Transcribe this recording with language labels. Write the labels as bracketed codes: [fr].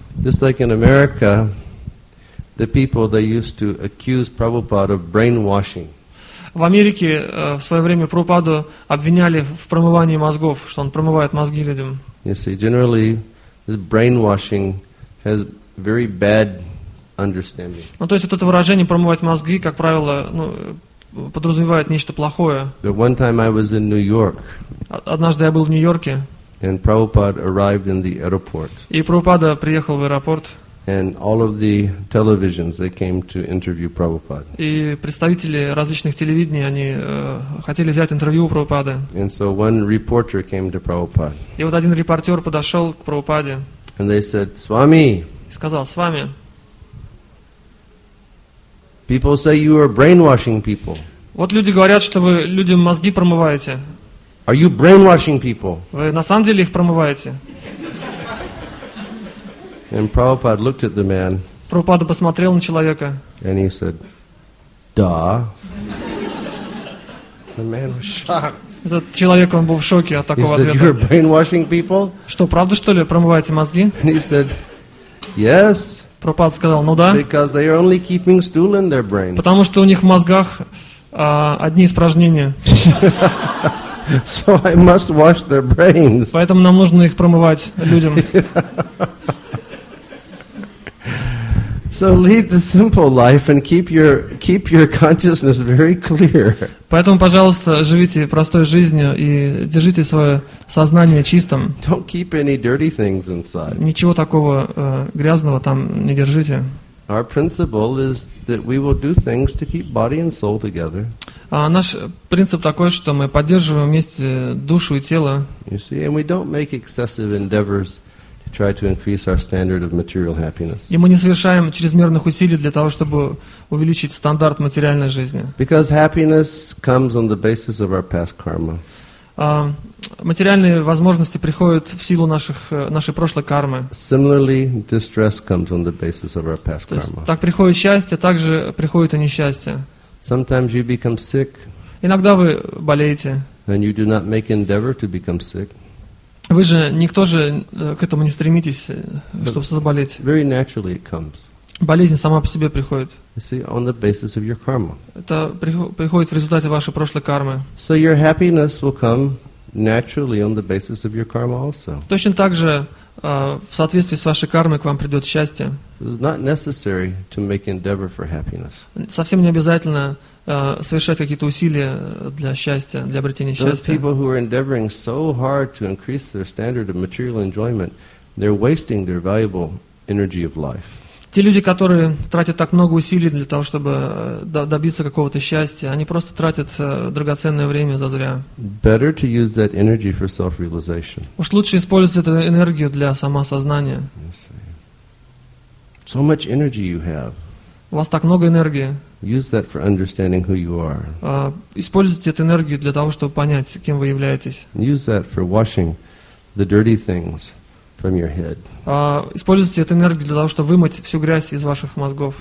[en] Just like in America, the people, they used to accuse Prabhupada of brainwashing. [ru] В Америке в свое время Прабхупаду обвиняли в промывании мозгов, что он промывает мозги людям. [en] You see, generally, this brainwashing has very bad understanding. [ru] Ну, то есть вот это выражение «промывать мозги», как правило, ну, подразумевает нечто плохое. [en] One time I was in New York. [ru] Однажды я был в Нью-Йорке. [en] And Prabhupada arrived in the airport. [ru] И Прабхупада приехал в аэропорт. [en] And all of the televisions, they came to interview Prabhupada. [ru] И представители различных телевидений, они хотели взять интервью у Прабхупады. [en] And so one reporter came to Prabhupada. [ru] И вот один репортер подошел к Прабхупаде. [en] And they said, Swami. [ru] Сказал: Свами. [en] People say you are brainwashing people. [ru] Вот люди говорят, что вы людям мозги промываете. [en] Are you brainwashing people? [ru] Вы на самом деле их промываете? [en] And Prabhupada looked at the man. [ru] Прабхупада посмотрел на человека. [en] And he said, [ru] "Да." [en] The man was shocked. [ru] Этот человек, он был в шоке от такого ответа. [en] He said, "You are brainwashing people?" [ru] Что, правда что ли, промываете мозги? [en] And he said, "Yes." [ru] Прабхупада сказал: ну да. [en] Because they are only keeping stool in their brains. [ru] Потому что у них в мозгах одни испражнения. [en] So I must wash their brains. [ru] Поэтому нам нужно их промывать людям. [en] So lead the simple life and keep your consciousness very clear. [ru] Поэтому, пожалуйста, живите простой жизнью и держите свое сознание чистым. [en] Don't keep any dirty things inside. [ru] Ничего такого грязного там не держите. [en] Our principle is that we will do things to keep body and soul together. [ru] Наш принцип такой, что мы поддерживаем вместе душу и тело. [en] You see, and we don't make excessive endeavors. Try to increase our standard of material happiness. [ru] И мы не совершаем чрезмерных усилий для того, чтобы увеличить стандарт материальной жизни. [en] Because happiness comes on the basis of our past karma. [ru] Материальные возможности приходят в силу нашей прошлой кармы. [en] Similarly, distress comes on the basis of our past karma. [ru] Так приходит счастье, так же приходит и несчастье. [en] Sometimes you become sick. [ru] Иногда вы болеете. [en] And you do not make endeavor to become sick. [ru] Вы же никто же к этому не стремитесь, чтобы заболеть. [en] Very naturally it comes. [ru] Болезнь сама по себе приходит. [en] You see, on the basis of your karma. [ru] Это приходит в результате вашей прошлой кармы. [en] So your happiness will come naturally on the basis of your karma also. [ru] Точно так же в соответствии с вашей кармой к вам придет счастье. [en] So it's not necessary to make endeavor for happiness. [ru] Совсем не обязательно совершать какие-то усилия для счастья, для обретения счастья. [en] Those people who are endeavoring so hard to increase their standard of material enjoyment, they're wasting their valuable energy of life. [ru] Те люди, которые тратят так много усилий для того, чтобы добиться какого-то счастья, они просто тратят драгоценное время зазря. [en] Better to use that energy for self-realization. [ru] Уж лучше использовать эту энергию для самосознания. [en] So much energy you have. [ru] У вас так много энергии. [en] Use that for understanding who you are. [ru] Используйте эту энергию для того, чтобы понять, кем вы являетесь. [en] Use that for washing the dirty things. From your head. [ru] Используйте эту энергию для того, чтобы вымыть всю грязь из ваших мозгов.